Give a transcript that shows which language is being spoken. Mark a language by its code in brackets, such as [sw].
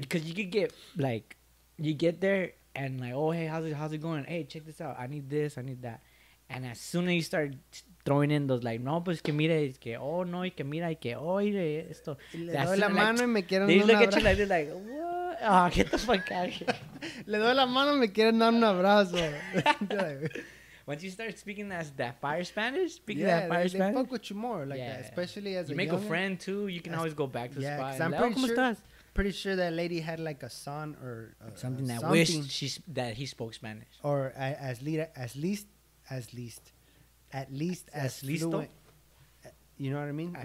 [en] Because you could get like, you get there and like, oh, hey, how's it going? Hey, check this out. I need this. I need that. And as soon as you start throwing in those like, [es] no, pues que mire, es que, oh, no, y que mira, y que, oh, mire, esto. Le doy la mano y me quieren dar un abrazo. [en] They look at you like, they're like, what? Oh, get the fuck out of here. [es] Le doy la mano y me quieren dar un abrazo. [en] Once you start speaking that fire Spanish, they fuck with you more, like that, especially as you make a friend, too, you can always go back to the spot. Yeah, because I'm pretty sure that lady had like a son or something that wished that he spoke Spanish. Or at least, fluent, you know what I mean?